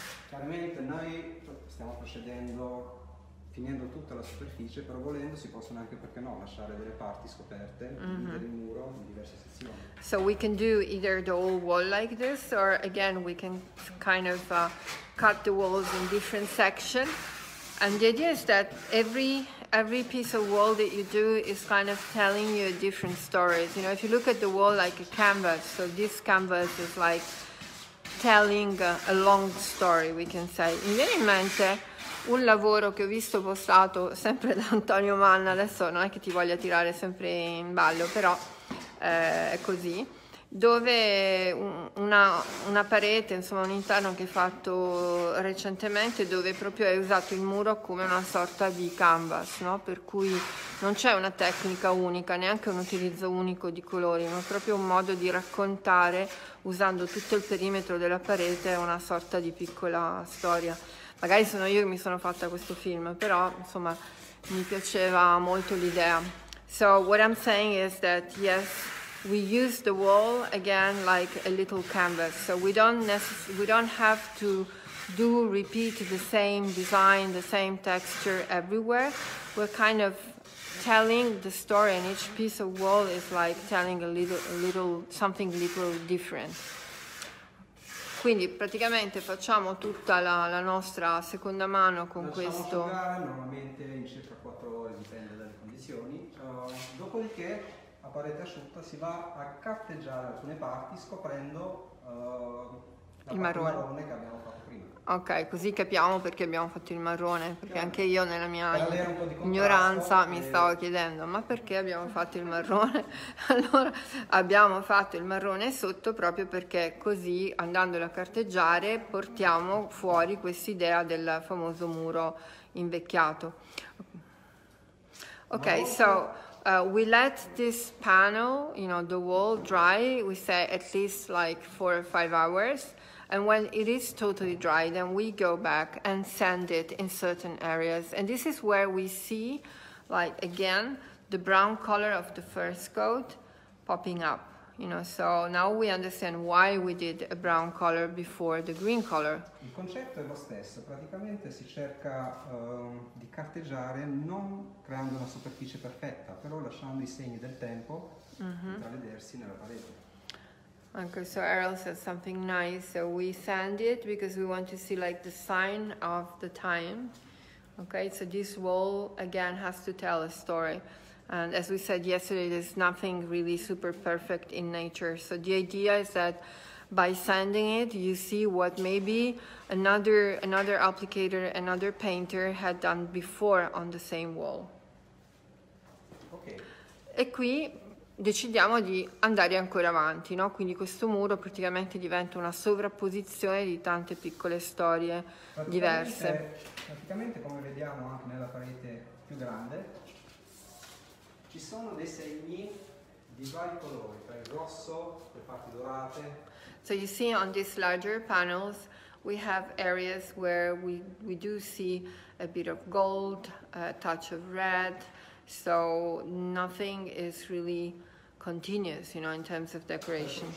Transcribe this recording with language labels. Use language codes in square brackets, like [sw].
[it] Chiaramente noi stiamo procedendo finendo tutta la superficie, però volendo si possono anche, perché no, lasciare delle parti scoperte, dividere il muro in diverse sezioni. [en] So we can do either the whole wall like this, or again we can kind of cut the walls in different sections. And the idea is that every piece of wall that you do is kind of telling you a different story. You know, if you look at the wall like a canvas, so this canvas is like telling a long story, we can say. [it] Mi viene in mente un lavoro che ho visto postato sempre da Antonio Manna, adesso non è che ti voglia tirare sempre in ballo, però è così, dove una parete, insomma un interno che hai fatto recentemente, dove proprio hai usato il muro come una sorta di canvas, no? Per cui non c'è una tecnica unica, neanche un utilizzo unico di colori, ma proprio un modo di raccontare, usando tutto il perimetro della parete, una sorta di piccola storia. Magari sono io che mi sono fatta questo film, però insomma mi piaceva molto l'idea. [en] So what I'm saying is that yes, we use the wall again like a little canvas. So we don't have to do repeat the same design, the same texture everywhere. We're kind of telling the story, and each piece of wall is like telling a little different. [it] Quindi praticamente facciamo tutta la nostra seconda mano con lasciamo questo. Asciugare normalmente in circa 4 ore, dipende dalle condizioni. Dopodiché, a parete asciutta, si va a carteggiare alcune parti scoprendo il marrone che abbiamo fatto prima. Ok, così capiamo perché abbiamo fatto il marrone, perché anche io nella mia ignoranza mi stavo chiedendo ma perché abbiamo fatto il marrone. Allora abbiamo fatto il marrone sotto proprio perché così, andandolo a carteggiare, portiamo fuori quest'idea del famoso muro invecchiato. [en] Ok, so we let this panel, you know, the wall dry, we say at least like 4 or 5 hours, and when it is totally dry, then we go back and sand it in certain areas. And this is where we see, like, again, the brown color of the first coat popping up, you know. So now we understand why we did a brown color before the green color. [it] Il concetto è lo stesso. Praticamente si cerca di carteggiare non creando una superficie perfetta, però lasciando i segni del tempo intravedersi nella parete. [en] Okay, so Errol said something nice. So we sand it because we want to see like the sign of the time. Okay, so this wall again has to tell a story. And as we said yesterday, there's nothing really super perfect in nature. So the idea is that by sanding it, you see what maybe another applicator, another painter had done before on the same wall. Okay. [it] E qui decidiamo di andare ancora avanti, no? Quindi questo muro praticamente diventa una sovrapposizione di tante piccole storie praticamente, diverse. Praticamente, come vediamo anche nella parete più grande, ci sono dei segni di vari colori, tra il rosso, le parti dorate. [en] So you see on these larger panels we have areas where we do see a bit of gold, a touch of red, so nothing is really continuous, you know, in terms of decoration.